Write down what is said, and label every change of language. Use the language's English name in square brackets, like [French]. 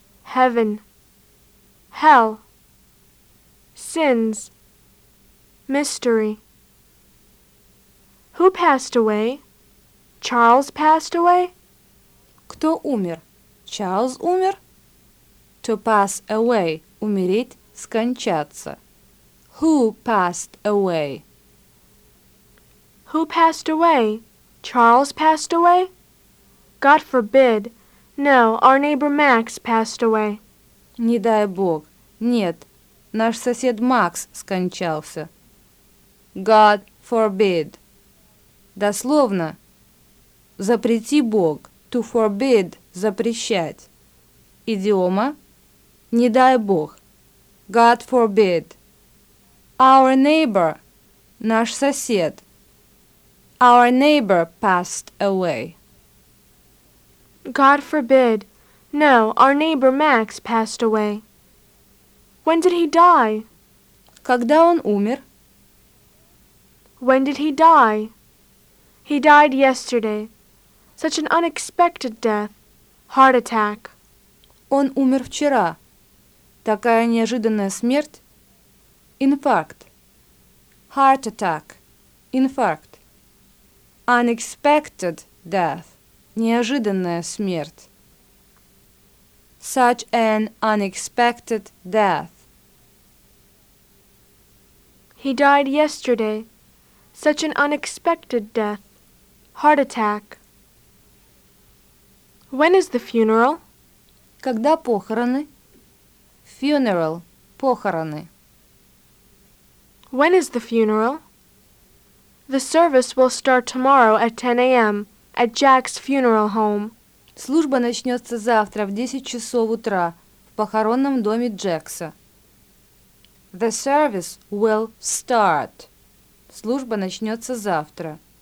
[English] heaven, hell, sins, mystery. Who passed away? Charles passed away? [Russian] Кто умер? Charles умер? [English] To pass away, [Russian] умереть, скончаться. [English] Who passed away? Who passed away? Charles passed away? God forbid. No, our neighbor Max passed away. [Russian] Не дай бог. Нет, наш сосед Макс скончался. [English] God forbid. [Russian] Дословно, запрети бог. [English] To forbid, [Russian] запрещать. Идиома, не дай бог. [English] God forbid. Our neighbor, [Russian] наш сосед. [English] Our neighbor passed away. God forbid. No, our neighbor Max passed away. When did he die? [Russian] Когда он умер? [English] When did he die? He died yesterday. Such an unexpected death. Heart attack. [Russian] Он умер вчера. Такая неожиданная смерть. [English] Infarct. Heart attack. Infarct. Unexpected death. [Russian] Неожиданная смерть. [English] Such an unexpected death. He died yesterday. Such an unexpected death. Heart attack. When is the funeral? [Russian] Когда похороны? [English] Funeral. [Russian] Похороны. [English] When is the funeral? The service will start tomorrow at 10 a.m. at Jack's funeral home. [Russian] Служба начнется завтра в 10 часов утра в похоронном доме Джекса. [English] The service will start. [Russian] Служба начнется завтра.